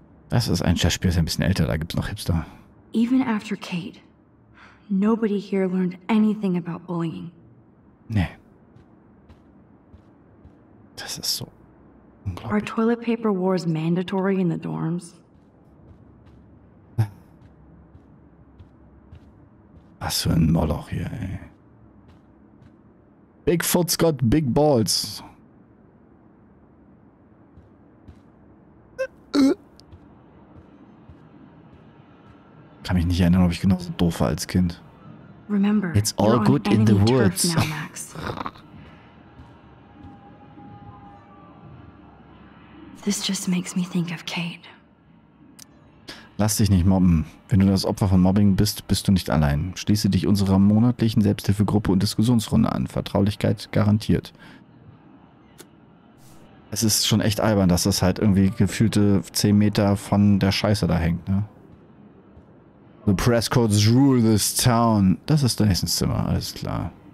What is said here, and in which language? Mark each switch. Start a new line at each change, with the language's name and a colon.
German: Das ist ein Schachspiel, ist ein bisschen älter, da gibt's noch Hipster.
English: Even after Kate, nobody here learned anything about bullying.
German: Nee. Das ist so.
English: Our toilet paper war is mandatory in the dorms.
German: Was für ein Moloch hier, ey.
English: Bigfoot's got big balls.
German: Kann mich nicht erinnern, ob ich genauso doof war als Kind.
English: Remember, it's all good in the woods. Now, Max. This just makes me think of Kate.
German: Lass dich nicht mobben. Wenn du das Opfer von Mobbing bist, bist du nicht allein. Schließe dich unserer monatlichen Selbsthilfegruppe und Diskussionsrunde an. Vertraulichkeit garantiert. Es ist schon echt albern, dass das halt irgendwie gefühlte 10 Meter von der Scheiße da hängt, ne?
English: The Prescotts rule this town.
German: Das ist Nathans Zimmer, alles klar.